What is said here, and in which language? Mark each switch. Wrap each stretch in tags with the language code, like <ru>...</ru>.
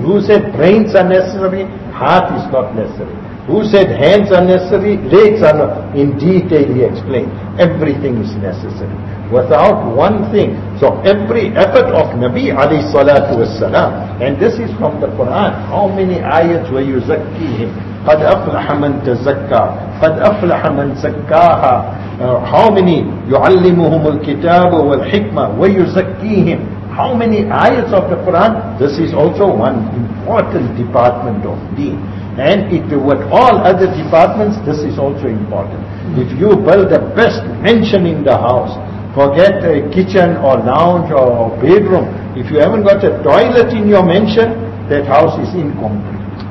<en>Who said brains are necessary? Heart is not necessary. Who said hands are necessary? Legs are not. In detail he explained. Everything is necessary. Without one thing. So every effort of Nabi alayhi salatu wasalam, and this is from the Quran, how many ayats were you zakkihim?</en> <ar>قَدْ أَفْلَحَ مَنْ تَزَكَّى قَدْ أَفْلَحَ مَنْ زَكَّاهَا</ar> <en>how many</en> <ar>يُعَلِّمُهُمُ الْكِتَابُ وَالْحِكْمَةُ وَيُزَكِّيهِمْ</ar> <en>how many ayats of the Quran? This is also one important department of deen. And it, with all other departments, this is also important. If you build the best mansion in the house, forget a kitchen or lounge or bedroom, if you haven't got a toilet in your mansion, that house is incomplete.</en>